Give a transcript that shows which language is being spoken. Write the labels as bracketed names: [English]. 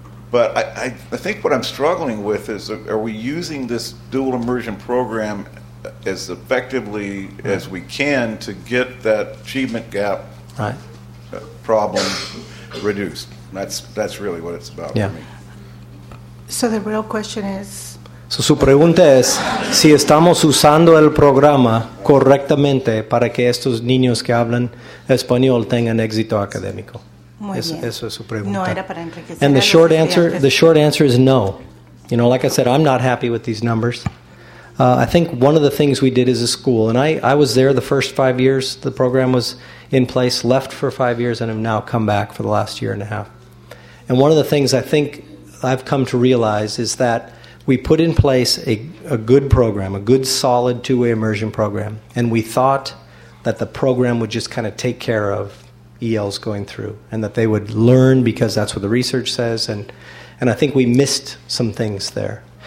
[English] But I think what I'm struggling with is, are we using this dual immersion program as effectively as we can to get that achievement gap problem reduced? That's really what it's about for me. So the real question is... [Spanish] So su pregunta es si estamos usando el programa correctamente para que estos niños que hablan español tengan éxito académico. Eso es su pregunta. No era para enriquecer. [English] And the short answer is no. You know, like I said, I'm not happy with these numbers. I think one of the things we did as a school, and I was there the first 5 years the program was in place, left for 5 years, and have now come back for the last year and a half. And one of the things I think I've come to realize is that we put in place a good program, a good solid two-way immersion program, and we thought that the program would just kind of take care of ELs going through and that they would learn because that's what the research says, and I think we missed some things there.